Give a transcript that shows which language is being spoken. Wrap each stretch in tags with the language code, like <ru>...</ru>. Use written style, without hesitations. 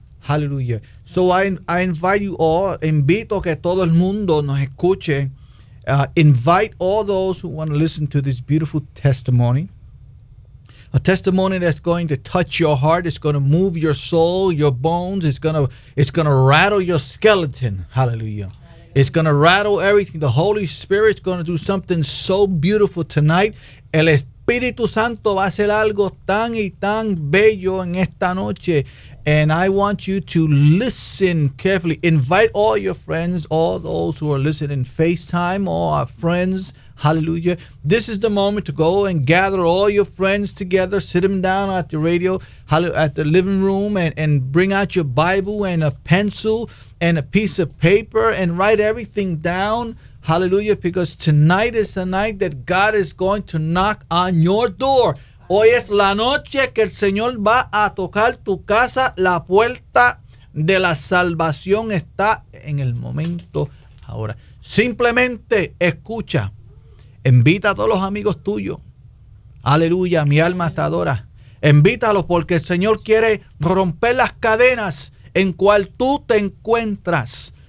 <en>Hallelujah. So I invite you all,</en> <es>invito que todo el mundo nos escuche,</es> <en>invite all those who want to listen to this beautiful testimony. A testimony that's going to touch your heart, it's going to move your soul, your bones, it's going to rattle your skeleton. Hallelujah. It's going to rattle everything. The Holy Spirit's going to do something so beautiful tonight.</en> <es>El Espíritu Santo va a hacer algo tan y tan bello en esta noche.</es> <en>And I want you to listen carefully. Invite all your friends, all those who are listening FaceTime, all our friends. Hallelujah. This is the moment to go and gather all your friends together. Sit them down at the radio, at the living room, and bring out your Bible and a pencil and a piece of paper and write everything down. Hallelujah. Because tonight is the night that God is going to knock on your door.</en> <es>Hoy es la noche que el Señor va a tocar tu casa. La puerta de la salvación está en el momento ahora. Simplemente escucha. Invita a todos los amigos tuyos. Aleluya, mi alma te adora. Invítalos porque el Señor quiere romper las cadenas en cual tú te encuentras.</es>